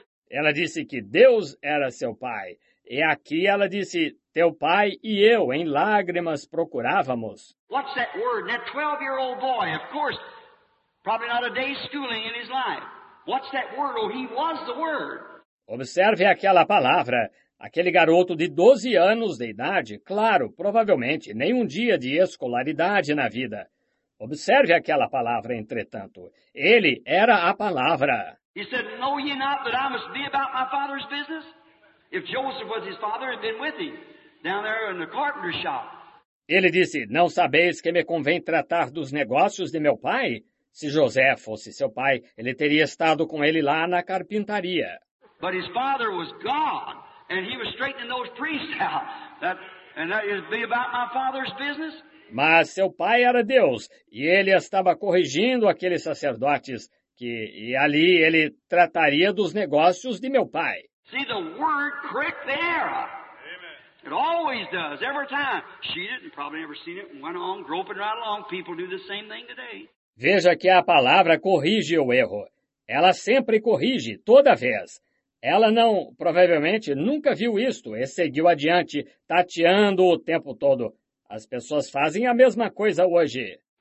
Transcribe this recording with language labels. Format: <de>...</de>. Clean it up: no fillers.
<pt>Ela disse que Deus era seu pai. E aqui ela disse, teu pai e eu, em lágrimas, procurávamos.</pt> <en>What's that word? That 12-year-old boy, of course, probably not a day's schooling in his life. What's that word? Oh, he was the word.</en> <pt>Observe aquela palavra. Aquele garoto de 12 anos de idade, claro, provavelmente, nenhum dia de escolaridade na vida. Observe aquela palavra, entretanto. Ele era a palavra.</pt> <en>He said, "Know ye not that I must be about my father's business?" If Joseph was his father, he'd been with him, down there in the carpenter shop.</en> <pt>Ele disse, "Não sabeis que me convém tratar dos negócios de meu pai?" Se José fosse seu pai, ele teria estado com ele lá na carpintaria.</pt> <en>But his father was God. And he was straightening those priests out. That is be about my father's business.</en> <pt>Mas seu pai era Deus, e ele estava corrigindo aqueles sacerdotes que e ali ele trataria dos negócios de meu pai.</pt> <en>See, the word correct there. It always does, every time. She didn't probably ever seen it and went on groping right along. People do the same thing today.</en> <pt>Veja que a palavra corrige o erro. Ela sempre corrige, toda vez. Ela não, provavelmente, nunca viu isto e seguiu adiante, tateando o tempo todo. As pessoas fazem a mesma coisa hoje.</pt>